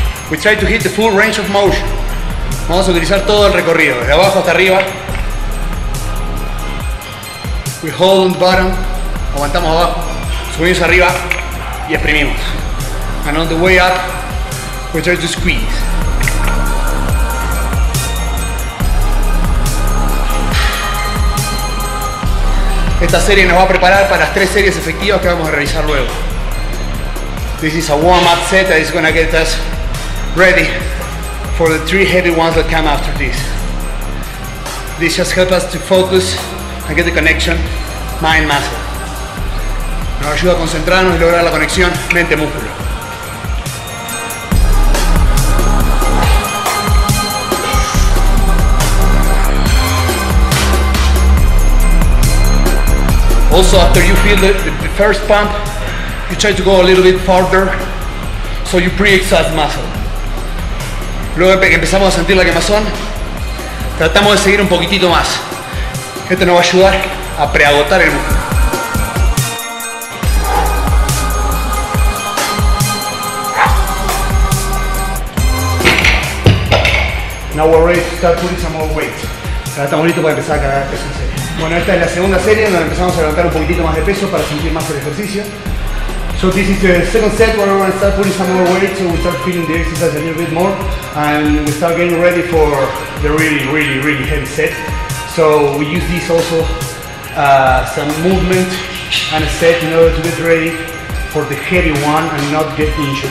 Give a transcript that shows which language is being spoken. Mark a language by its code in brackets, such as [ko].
[en] We try to hit the full range of motion. [es] Vamos a utilizar todo el recorrido, desde abajo hasta arriba. [en] We hold on the bottom, [es] aguantamos abajo, subimos arriba y exprimimos. [en] And on the way up, we try to squeeze. [es] Esta serie nos va a preparar para las 3 series efectivas que vamos a realizar luego. [en] This is a warm-up set that is going to get us ready for the 3 heavy ones that come after this. This just helps us to focus and get the connection mind-muscle. [es] Nos ayuda a concentrarnos y lograr la conexión mente-músculo. [en] Also, after you feel the first pump, you try to go a little bit farther, so you pre-exhaust muscle. [es] Luego que empezamos a sentir la quemazón, tratamos de seguir un poquitito más. Esto nos va a ayudar a preagotar el músculo. [en] Now we're ready to start putting some more weight. [es] Ahora estamos listos para empezar a cargar peso en serie. Bueno, esta es la segunda serie donde empezamos a levantar un poquitito más de peso para sentir más el ejercicio. [en] So this is the second set where we're going to start putting some more weight, so we start feeling the exercise a little bit more and we start getting ready for the really, really, really heavy set. So we use this also some movement and a set in order to get ready for the heavy one and not get injured.